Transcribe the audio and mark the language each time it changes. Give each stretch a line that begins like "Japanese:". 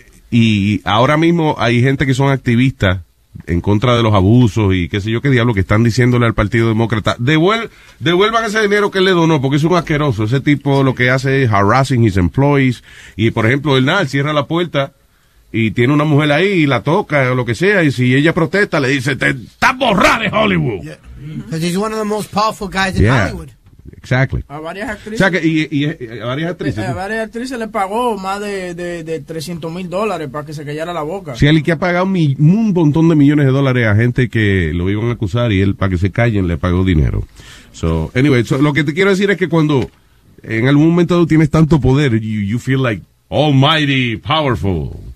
Spanish: Y ahora mismo hay gente que son activistas en contra de los abusos y qué sé yo qué diablo que están diciéndole al Partido Demócrata, devuelvan ese dinero que él le donó, porque es un asqueroso. Ese tipo lo que hace es harassing his employees. Y por ejemplo, él cierra la puerta y tiene una mujer ahí y la toca o lo que sea, y si ella protesta le dice, te estás borrado de Hollywood.
English: Yeah. Mm-hmm. He's one of the most powerful guys in, yeah, Hollywood. Exactly.
Spanish: A varias actrices. O sea que, y a varias actrices. A varias actrices le pagó más de $300,000 para que se callara la boca. Sí, él que ha pagado un montón de millones de dólares a gente que lo iban a acusar y él, para que se callen, le pagó dinero. So, anyway, so, lo que te quiero decir es que cuando en algún momento tienes tanto poder, you feel like almighty, powerful.